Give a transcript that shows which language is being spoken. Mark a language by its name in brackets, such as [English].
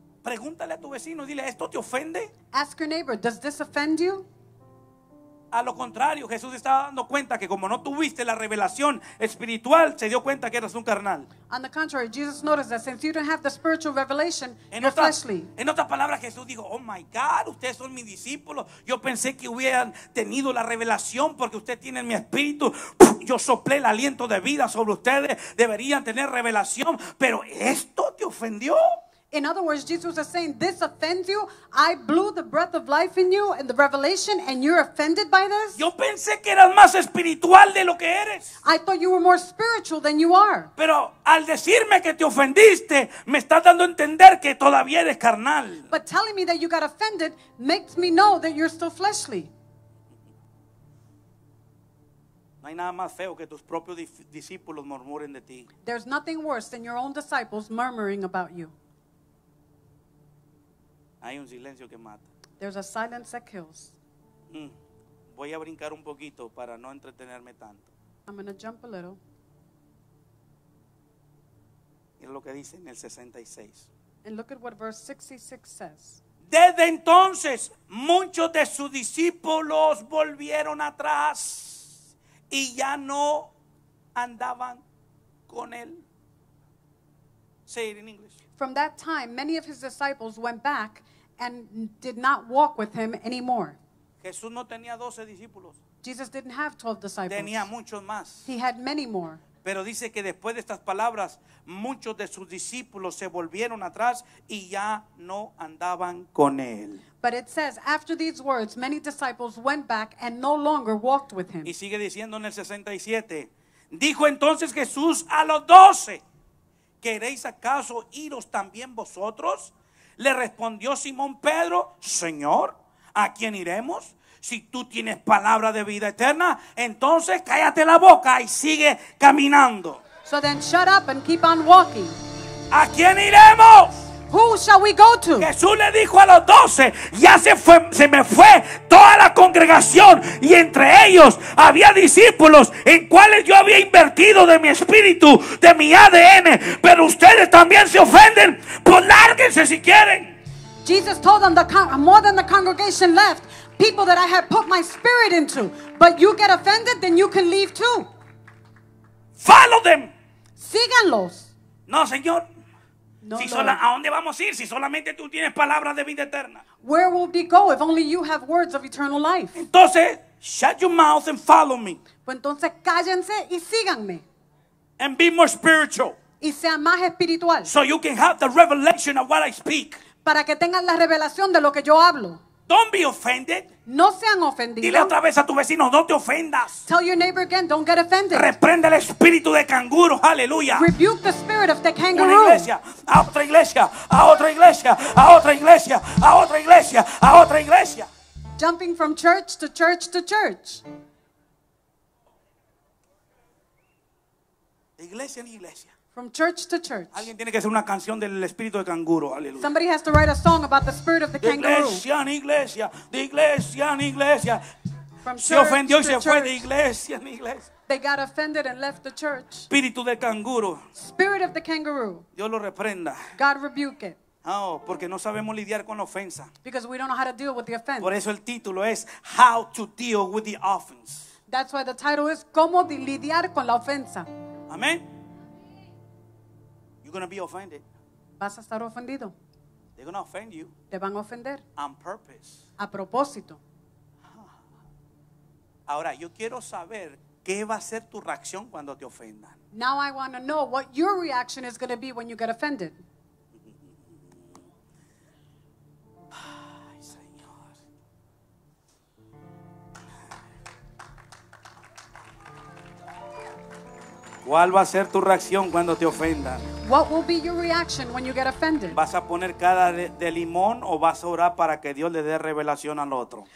[Spanish] Pregúntale a tu vecino, dile, ¿esto te ofende? [English] Ask your neighbor, does this offend you? [Spanish] A lo contrario, Jesús estaba dando cuenta que como no tuviste la revelación espiritual, se dio cuenta que eras un carnal. [English] On the contrary, Jesus noticed that since you don't have the spiritual revelation, [Spanish] en [English] you're [Spanish] otra, [English] fleshly. [Spanish] En otras palabras, Jesús dijo, [English] oh my God, [Spanish] ustedes son mis discípulos. Yo pensé que hubieran tenido la revelación porque ustedes tienen mi espíritu. Yo soplé el aliento de vida sobre ustedes. Deberían tener revelación, pero esto te ofendió. [English] In other words, Jesus is saying, this offends you. I blew the breath of life in you and the revelation, and you're offended by this? [Spanish] Yo pensé que eras más espiritual de lo que eres. [English] I thought you were more spiritual than you are. [Spanish] Pero al decirme que te ofendiste, me estás dando a entender que todavía eres carnal. [English] But telling me that you got offended makes me know that you're still fleshly. [Spanish] No hay nada más feo que tus propios discípulos murmuren de ti. [English] There's nothing worse than your own disciples murmuring about you. [Spanish] Hay un silencio que mata. [English] There's a silence that kills. [Spanish] Voy a brincar un poquito para no entretenerme tanto. [English] I'm going to jump a little. [Spanish] Mira lo que dice en el 66. [English] And look at what verse 66 says. [Spanish] Desde entonces, muchos de sus discípulos volvieron atrás y ya no andaban con él. [English] Say it in English. From that time, many of his disciples went back and did not walk with him anymore. [Spanish] Jesús no tenía 12 discípulos. [English] Jesus didn't have 12 disciples. [Spanish] Tenía muchos más. [English] He had many more. [Spanish] Pero dice que después de estas palabras, muchos de sus discípulos se volvieron atrás y ya no andaban con él. [English] But it says, after these words, many disciples went back and no longer walked with him. [Spanish] Y sigue diciendo en el 67, dijo entonces Jesús a los 12, ¿queréis acaso iros también vosotros? Le respondió Simón Pedro, Señor, ¿a quién iremos? Si tú tienes palabra de vida eterna, entonces cállate la boca y sigue caminando. [English] So then shut up and keep on walking. [Spanish] ¿A quién iremos? [English] Who shall we go to? [Spanish] Jesús le dijo a los 12, ya se me fue toda la congregación y entre ellos había discípulos en cuales yo había invertido de mi espíritu, de mi ADN, pero ustedes también se ofenden, pues lárguense si quieren. [English] Jesus told them more than the congregation left, people that I had put my spirit into, but you get offended, then you can leave too. Follow them. [Spanish] Síganlos. No, Señor. No, si [English] Lord. [Spanish] ¿A dónde vamos a ir si solamente tú tienes palabras de vida eterna? [English] Where will we go if only you have words of eternal life? Entonces, shut your mouth and follow me. [Spanish] Pues entonces cállense y síganme. [English] And be more spiritual. [Spanish] Y sean más espiritual. [English] So you can have the revelation of what I speak. [Spanish] Para que tengan la revelación de lo que yo hablo. [English] Don't be offended. [Spanish] No sean ofendidos. Dile otra vez a tu vecino, no te ofendas. [English] Tell your neighbor again, don't get offended. [Spanish] Reprende el espíritu de canguro, aleluya. [English] Rebuke the spirit of the kangaroo. [Spanish] Una iglesia, a otra iglesia, a otra iglesia, a otra iglesia, a otra iglesia, a otra iglesia. [English] Jumping from church to church to church. [Spanish] De iglesia en iglesia. [English] From church to church. [Spanish] Alguien tiene que hacer una canción del espíritu de canguro. Aleluya. [English] Somebody has to write a song about the spirit of the kangaroo. [Spanish] De iglesia en iglesia. [English] From [Spanish] se ofendió y se fue de iglesia en iglesia. [English] They got offended and left the church. [Spanish] Espíritu de canguro. [English] Spirit of the kangaroo. [Spanish] Dios lo reprenda. [English] God rebuke it. [Spanish] No, porque no sabemos lidiar con la ofensa. [English] Because we don't know how to deal with the offense. [Spanish] Por eso el título es [English] How to Deal with the Offense. That's why the title is [Spanish] Cómo lidiar con la ofensa. [English] Amén. You're going to be offended. [Spanish] Vas a estar ofendido. [English] They're going to offend you. [Spanish] Te van a ofender. [English] On purpose. [Spanish] A propósito. Ahora, yo quiero saber ¿Qué va a ser tu reacción cuando te ofendan? [English] Now I want to know what your reaction is going to be when you get offended. [Spanish] Ay, Señor. ¿Cuál va a ser tu reacción cuando te ofendan? [English] What will be your reaction when you get offended? [Spanish] ¿Vas a poner cara de limón o vas a orar para que Dios le dé revelación al otro?